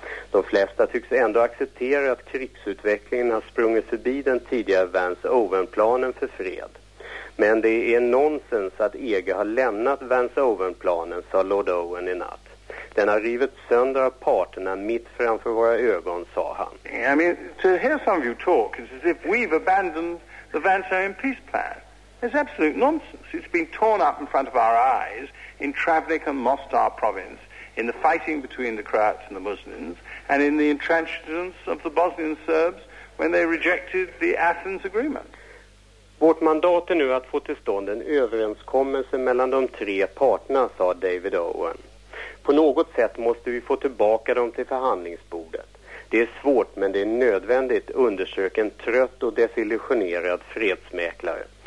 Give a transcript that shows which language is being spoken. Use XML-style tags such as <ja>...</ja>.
<sv>De flesta tycks ändå acceptera att krigsutvecklingen har sprungit förbi den tidigare Vance-Owen-planen för fred. Men det är nonsens att EG har lämnat Vance-Owen-planen, sa Lord Owen i natt. Den har rivit sönder av parterna mitt framför våra ögon, sa han.</sv> <en>I mean, to hear some of you talk, it's as if we've abandoned the Vance-Owen peace plan. It's absolute nonsense. It's been torn up in front of our eyes in Travnik and Mostar province. In the fighting between the Croats and the Muslims, and in the entrenchments of the Bosnian Serbs when they rejected the Athens agreement.</en> <sv>Vårt mandat är nu att få till stånd en överenskommelse mellan de tre parterna, sa David Owen. På något sätt måste vi få tillbaka dem till förhandlingsbordet. Det är svårt, men det är nödvändigt, undersök en trött och desillusionerad fredsmäklare.</sv>